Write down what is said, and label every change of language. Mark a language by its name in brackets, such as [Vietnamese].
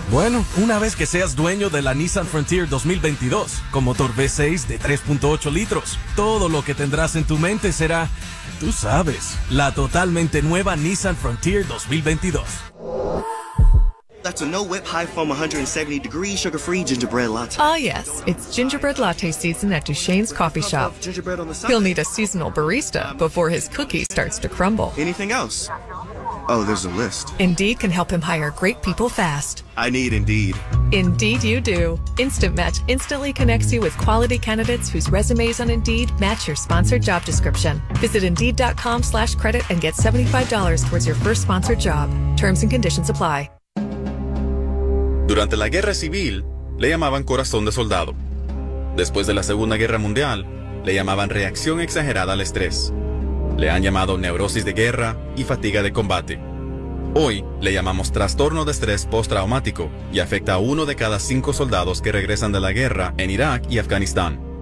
[Spanish] Bueno, una vez que seas dueño de la Nissan Frontier 2022 con motor V6 de 3.8 litros, todo lo que tendrás en tu mente será, tú sabes, la totalmente nueva Nissan Frontier 2022. [English] That's a no whip high foam 170 degree sugar free gingerbread latte. Ah, yes, it's gingerbread latte season at Duchesne's Coffee Shop. He'll need a seasonal barista before his cookie starts to crumble. Anything else? Oh, there's a list. Indeed can help him hire great people fast. I need Indeed. Indeed you do. Instant Match instantly connects you with quality candidates whose resumes on Indeed match your sponsored job description. Visit Indeed.com/credit and get $75 towards your first sponsored job. Terms and conditions apply. [Spanish] Durante la Guerra Civil, le llamaban corazón de soldado. Después de la Segunda Guerra Mundial, le llamaban reacción exagerada al estrés. Le han llamado neurosis de guerra y fatiga de combate. Hoy, le llamamos trastorno de estrés postraumático y afecta a uno de cada 5 soldados que regresan de la guerra en Irak y Afganistán.